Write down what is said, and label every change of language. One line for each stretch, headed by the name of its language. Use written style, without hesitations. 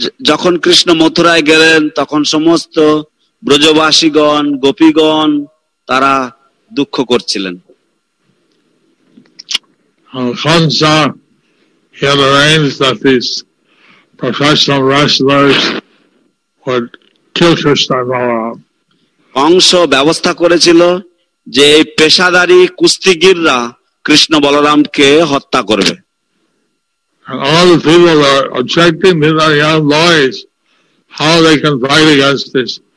Bangla: যখন কৃষ্ণ মথুরায় গেলেন তখন সমস্ত ব্রজবাসীগণ গোপীগণ তারা দুঃখ করছিলেন
English: Kamsa had arranged that these professional wrestlers would kill Krishna and Balaram.
Bangla: Kansa ব্যবস্থা করেছিল যে এই পেশাদারী কুস্তিগীররা কৃষ্ণ বলরামকে হত্যা করবে.
English: And all the people are objecting to their young boys how they can fight against this.